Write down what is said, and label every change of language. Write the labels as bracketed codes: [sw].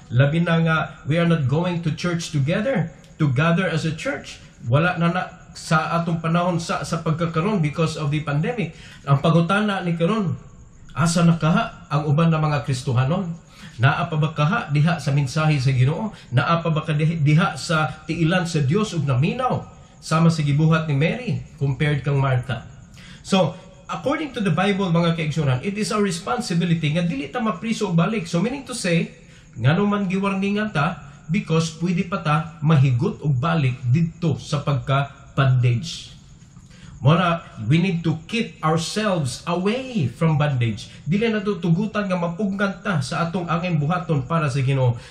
[en] Labi na nga, we are not going to church together, to gather as a church. [ceb] Wala na na sa atong panahon sa pagkakaron [en] because of the pandemic. [ceb] Ang pagutana ni karon, asa na kaha ang uban na mga Kristuhanon? Naa pa ba kaha diha sa mensahe sa Ginoo? Naa pa ba diha sa tiilan sa Dios ug naminaw sama sa gibuhat ni Mary compared kang Martha? [en] So, according to the Bible, [ceb] mga kaigsoonan, [en] it is our responsibility [ceb] nga dili ta mapriso og balik. [en] So, meaning to say, [ceb] ngano man giwarningan ta, because pwede pa ta mahigot og balik dito sa pagka bondage. [en] Mora, we need to keep ourselves away from bondage. [ceb] Dili na tutugutan nga mapugngan ta sa atong angeng buhaton para sa Ginoo.